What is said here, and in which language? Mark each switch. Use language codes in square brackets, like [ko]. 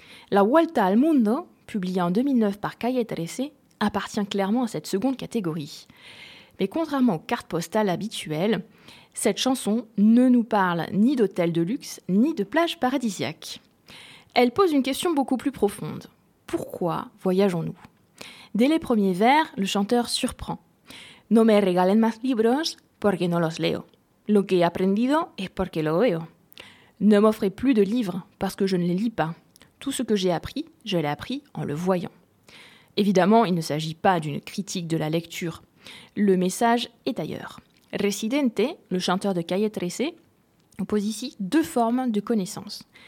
[fr] La Vuelta al Mundo, publiée en 2009 par Calle 13, appartient clairement à cette seconde catégorie. Mais contrairement aux cartes postales habituelles, cette chanson ne nous parle ni d'hôtels de luxe, ni de plages paradisiaques. Elle pose une question beaucoup plus profonde. Pourquoi voyageons-nous ? Dès les premiers vers, le chanteur surprend. [es] No me regalen más libros porque no los leo. « Lo que he aprendido es porque lo veo. [fr] »« Ne m'offrez plus de livres, parce que je ne les lis pas. »« Tout ce que j'ai appris, je l'ai appris en le voyant. » Évidemment, il ne s'agit pas d'une critique de la lecture. Le message est ailleurs. Residente, le chanteur de Calle 13, oppose ici deux formes de connaissances.